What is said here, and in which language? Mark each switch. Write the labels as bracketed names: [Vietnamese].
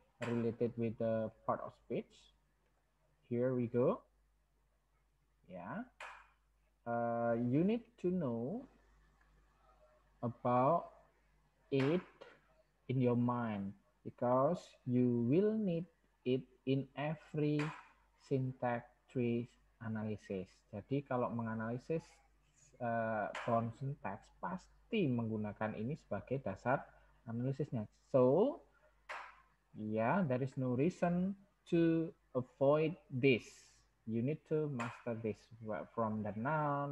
[English] Related with the part of speech. Here we go. Yeah. You need to know about it in your mind because you will need it in every syntax tree analysis. [Indonesian] Jadi kalau menganalisis pohon syntax pasti menggunakan ini sebagai dasar analisisnya. [English] So yeah, there is no reason to avoid this. You need to master this from the noun.